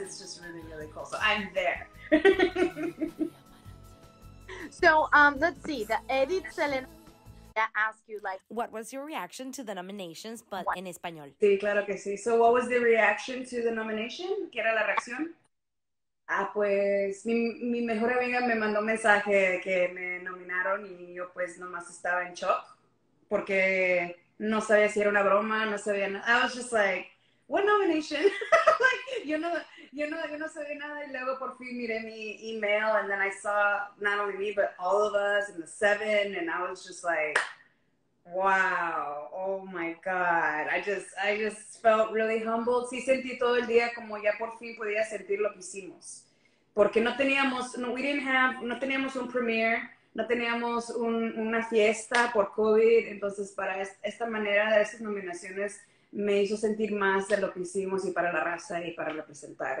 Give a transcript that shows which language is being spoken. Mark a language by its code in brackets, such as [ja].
[en] It's just really, really cool. So I'm there. So let's see. The Edith Selena asked you, like, what was your reaction to the nominations, but what? In Espanol? [es] Sí, claro que sí. [en] So what was the reaction to the nomination? [es] ¿Qué era la reacción? Ah, pues, mi mejor amiga me mandó mensaje que me nominaron y yo pues nomás estaba en shock. porque no sabía si era una broma, no sabía nada. [en] I was just like, what nomination? Like, [es] yo no sabía nada, y luego por fin miré mi email, [en] and then I saw not only me, but all of us, and the seven, and I was just like, wow, oh my God. I just felt really humbled. [es] Sí sentí todo el día como ya por fin podía sentir lo que hicimos. Porque no teníamos, no teníamos un premiere, no teníamos una fiesta por COVID, entonces para esta manera de esas nominaciones me hizo sentir más de lo que hicimos y para la raza y para representar.